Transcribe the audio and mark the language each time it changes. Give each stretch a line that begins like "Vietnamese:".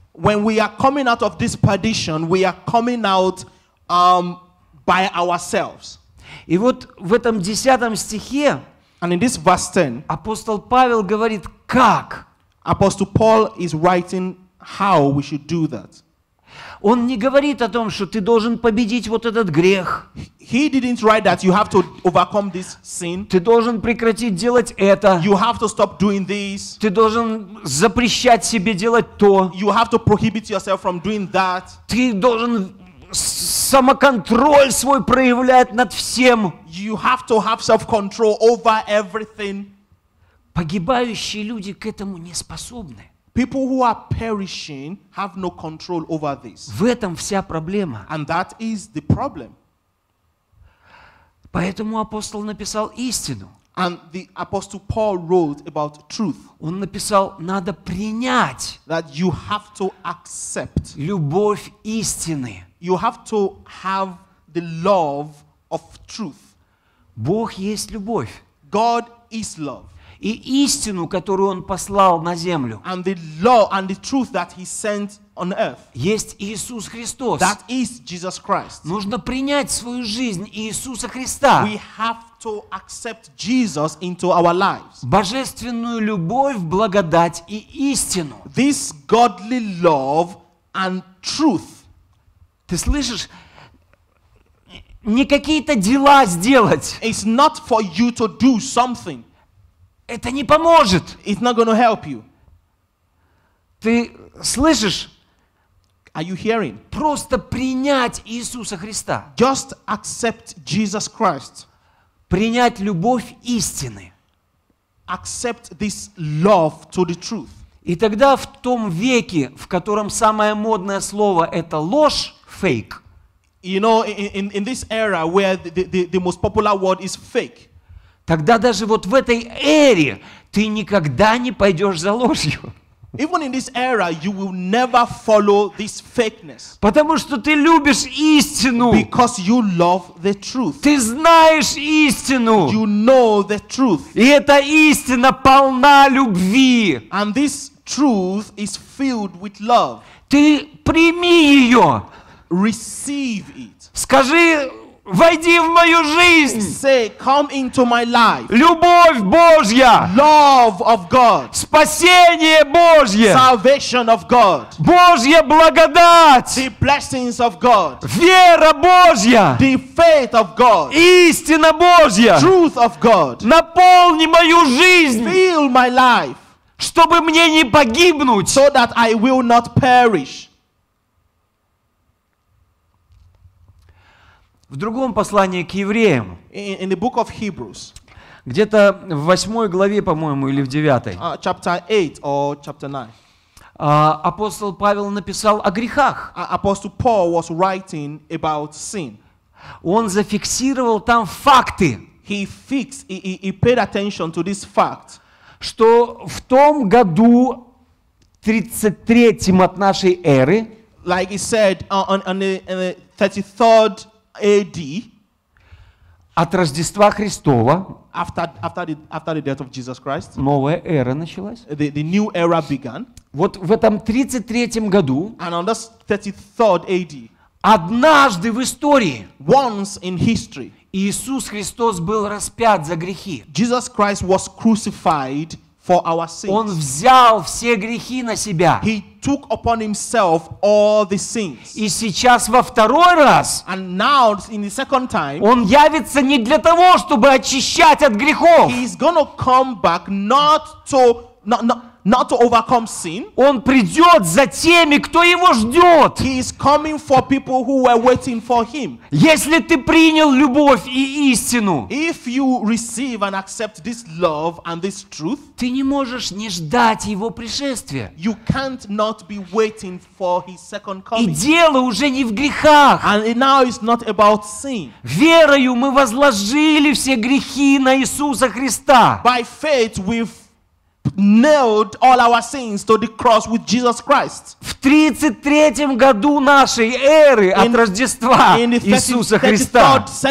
English: When we are coming out of this perdition, we are coming out by ourselves.
Russian: И вот в этом 10 стихе апостол Павел говорит, как?
English: Apostle Paul is writing how we should do that.
Russian: Он не говорит о том, что ты должен победить вот этот грех.
English: He didn't write that you have to overcome this sin.
Russian: Ты должен прекратить делать это.
English: You have to stop doing this.
Russian: Ты должен запрещать себе делать то.
English: You have to prohibit yourself from doing that.
Russian: Ты должен самоконтроль свой проявлять над всем.
English: You have to have self-control over everything.
Russian: Погибающие люди к этому не способны.
English: People who are perishing have no control over this.
Russian: В этом вся проблема.
English: And that is the problem.
Russian: Поэтому апостол написал истину.
English: And the apostle Paul wrote about truth.
Russian: Он написал, надо принять.
English: That you have to accept.
Russian: Любовь истины.
English: You have to have the love of truth.
Russian: Бог есть любовь.
English: God is love.
Russian: И истину, которую Он послал на землю.
English: And the law and the truth that He sent on earth.
Russian: Есть Иисус Христос.
English: That is Jesus Christ.
Russian: Нужно принять свою жизнь Иисуса Христа.
English: We have to accept Jesus into our lives.
Russian: Божественную любовь, благодать и истину.
English: This godly love and truth.
Russian: Ты слышишь? Не какие-то дела сделать.
English: It's not for you to do something.
Russian: Это не поможет.
English: It's not going to help you.
Russian: Ты слышишь?
English: Are you hearing?
Russian: Просто принять Иисуса Христа.
English: Just accept Jesus Christ.
Russian: Принять любовь истины.
English: Accept this love to the truth.
Russian: И тогда в том веке, в котором самое модное слово это ложь, fake.
English: You know, in this era where the most popular word is fake.
Russian: Тогда даже вот в этой эре ты никогда не пойдешь за ложью.
English: Even in this era, you will never follow this fakeness.
Russian: Потому что ты любишь истину.
English: Because you love the truth.
Russian: Ты знаешь истину.
English: You know the truth.
Russian: И эта истина полна любви.
English: And this truth is filled with love.
Russian: Ты прими ее.
English: Receive it.
Russian: Скажи... Войди в мою жизнь.
English: Say, come into my life.
Russian: Любовь Божья.
English: Love of God.
Russian: Спасение Божье.
English: Salvation of God.
Russian: Божья благодать.
English: The blessings of God.
Russian: Вера Божья.
English: The faith of God.
Russian: Истина Божья.
English: Truth of God.
Russian: Наполни мою жизнь.
English: Fill my life.
Russian: Чтобы мне не погибнуть.
English: So that I will not perish.
Russian: В другом послании к евреям,
English: in the book of Hebrews,
Russian: где-то в 8 главе, по-моему, или в 9,
English: chapter 8 or chapter 9,
Russian: апостол Павел написал о грехах.
English: Apostle Paul was writing about sin.
Russian: Он зафиксировал там факты.
English: He fixed, he paid attention to this fact,
Russian: что в том году, 33-м от нашей эры,
English: like he said, on the 33rd AD,
Russian: от Рождества Христова,
English: after the death of Jesus Christ,
Russian: новая эра началась.
English: The new era began.
Russian: Вот в этом 33-м году,
English: and on this 33rd AD,
Russian: однажды в истории,
English: once in history,
Russian: Иисус Христос был распят за грехи.
English: Jesus Christ was crucified for our sins.
Russian: Он взял все грехи на себя.
English: He took upon himself all the sins.
Russian: И сейчас во второй раз.
English: And now in the second time.
Russian: Он явится не для того, чтобы очищать от грехов.
English: He is going to come back not to not, not not to overcome sin.
Russian: Он придет за теми, кто его ждет.
English: He is coming for people who were waiting for him.
Russian: Если ты принял любовь и истину,
English: if you receive and accept this love and this truth,
Russian: ты не можешь не ждать его пришествия.
English: You can't not be waiting for his second coming.
Russian: И дело уже не в грехах.
English: And now it's not about sin.
Russian: Верою мы возложили все грехи на Иисуса Христа.
English: By faith we've nailed all our sins to the cross with Jesus Christ.
Russian: В 33-м году нашей эры от Рождества Иисуса Христа.